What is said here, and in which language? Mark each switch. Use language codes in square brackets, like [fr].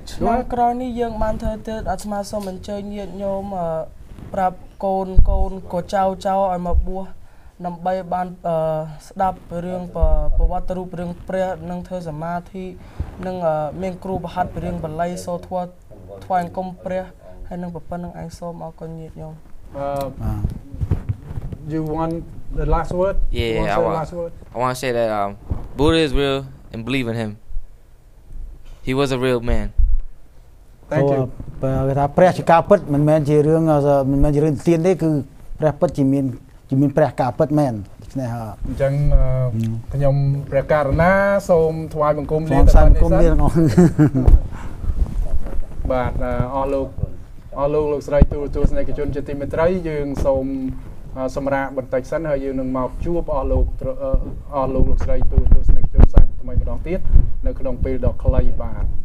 [km] ណាក្រោយនេះយើងបានធ្វើទៀតអាត្មាសូមអញ្ជើញញាតិញោមប្រាប់កូនកូនក៏ចៅឲ្យមកបួសដើម្បីបានស្ដាប់រឿងប្រវត្តិរូបរឿងព្រះនិងធ្វើសមាធិនិងមានគ្រូបង្ហាត់ពីរឿងបាលីសូធ្វើថ្វាយអង្គមព្រះហើយនឹងប៉ុណ្្នឹងឯងសូមអរគុណញាតិញោម [en] You want the last word? Yeah, I want to say that Buddha is real and believe in him. He was a real man. Thank you. [km] ព្រះថាព្រះជាការពិតមិនមែនជារឿងមិនមែនជារឿងទៀនទេគឺព្រះពិតជាមានព្រះការពិតមែនដូច្នេះអ ញ្ចឹងខ្ញុំព្រះករុណាសូមថ្វាយបង្គំ លាទៅបងប្អូនទាំងអស់បាទអស់លោកលោកស្រីទូទស្សនិកជនជាទីមេត្រីយើងសូមសម្រាកបន្តិចសិនហើយយើងនឹងមកជួបអស់លោកស្រីទូទស្សនិកជនសាច់ថ្មីម្ដងទៀតនៅក្នុងពេលដ៏ខ្លីបាទ